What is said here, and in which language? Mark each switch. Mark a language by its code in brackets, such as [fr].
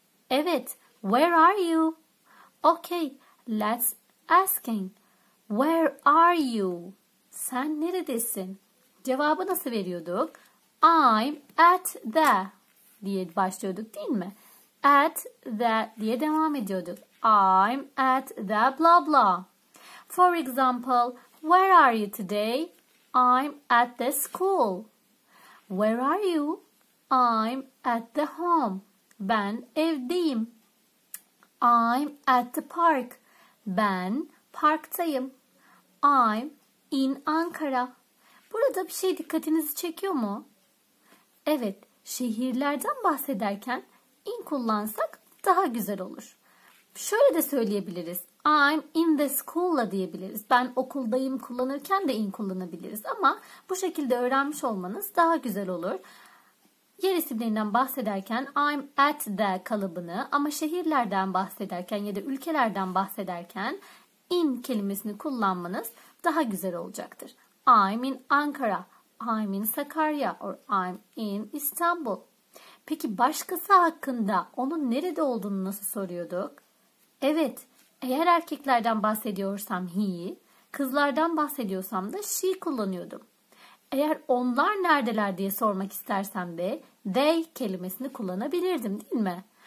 [en] Evet, where are you? Okay, let's asking. Where are you? [tr] Sen neredesin? Cevabı nasıl veriyorduk? [en] I'm at the [tr] diye başlıyorduk, değil mi? [en] At the [tr] diye devam ediyorduk. [en] I'm at the blah blah. For example, where are you today? I'm at the school. Where are you? I'm at the home. [tr] Ben evdeyim. [en] I'm at the park. [tr] Ben parktayım. [en] I'm in Ankara. [tr] Burada bir şey dikkatinizi çekiyor mu? Evet, şehirlerden bahsederken in kullansak daha güzel olur. Şöyle de söyleyebiliriz. [en] I'm in the school'la [tr] diyebiliriz. Ben okuldayım kullanırken de in kullanabiliriz. Ama bu şekilde öğrenmiş olmanız daha güzel olur. Yer isimlerinden bahsederken [en] I'm at the [tr] kalıbını, ama şehirlerden bahsederken ya da ülkelerden bahsederken in kelimesini kullanmanız daha güzel olacaktır. [en] I'm in Ankara, I'm in Sakarya or I'm in İstanbul. [tr] Peki başkası hakkında onun nerede olduğunu nasıl soruyorduk? Evet, eğer erkeklerden bahsediyorsam he, kızlardan bahsediyorsam da she kullanıyordum. Eğer onlar neredeler diye sormak istersem de they kelimesini kullanabilirdim, değil mi?